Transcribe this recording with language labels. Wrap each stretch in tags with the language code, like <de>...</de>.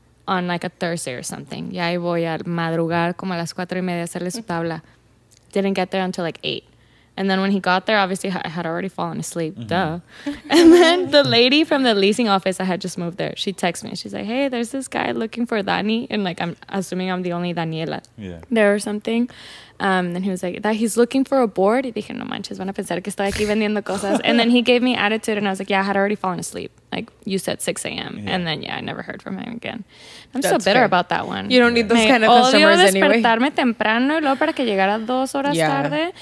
<en>on like a Thursday or something.</en> <es>Ya voy a madrugar como a las 4:30 a hacerle su tabla.</es> <en>Didn't get there until like 8. And then when he got there, obviously I had already fallen asleep. Mm-hmm. Duh. And then the lady from the leasing office, I had just moved there. She texts me. She's like, hey, there's this guy looking for Dani. And like, I'm assuming I'm the only Daniela there or something. Then he was like, that he's looking for a board.</en> <es>Y dije, no manches, van a pensar que estoy aquí vendiendo cosas.</es> <en>And then he gave me attitude and I was like, yeah, I had already fallen asleep. Like you said 6 a.m. Yeah. And then, yeah, I never heard from him again. That's so bitter about that one. You don't need those kind of customers anyway.</en> <es>Odio despertarme temprano y luego para que llegara dos horas tarde.</es>